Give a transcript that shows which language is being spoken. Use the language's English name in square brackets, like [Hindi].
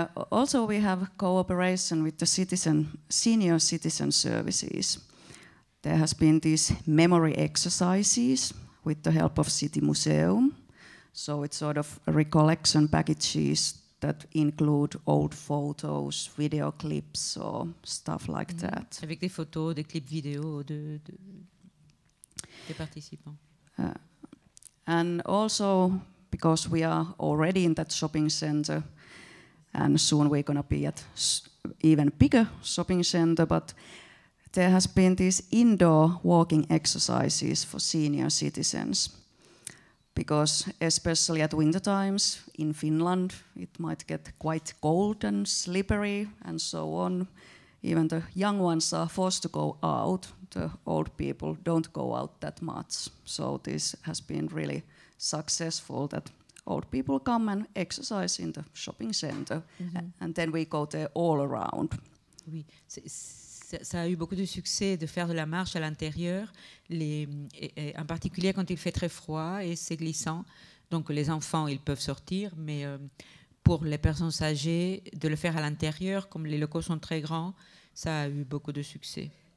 [English] Also, we have cooperation with the senior citizen services. There has been these memory exercises with the help of City Museum. So it's sort of recollection packages that include old photos, video clips, or stuff like that. [French] Avec des photos, des clips vidéo des participants. [English] And also, because we are already in that shopping center, and soon we're going to be at even bigger shopping center, but there has been these indoor walking exercises for senior citizens. Because especially at winter times in Finland, it might get quite cold and slippery and so on. Even the young ones are forced to go out. The old people don't go out that much. So this has been really successful that old people come and exercise in the shopping center. Mm-hmm. And then we go there all around. [French] Oui. Ça a eu beaucoup de succès de faire de la marche à l'intérieur, en particulier quand il fait très froid et c'est glissant. Donc les enfants, ils peuvent sortir, mais pour les personnes âgées, de le faire à l'intérieur, comme les locaux sont très grands, ça a eu beaucoup de succès.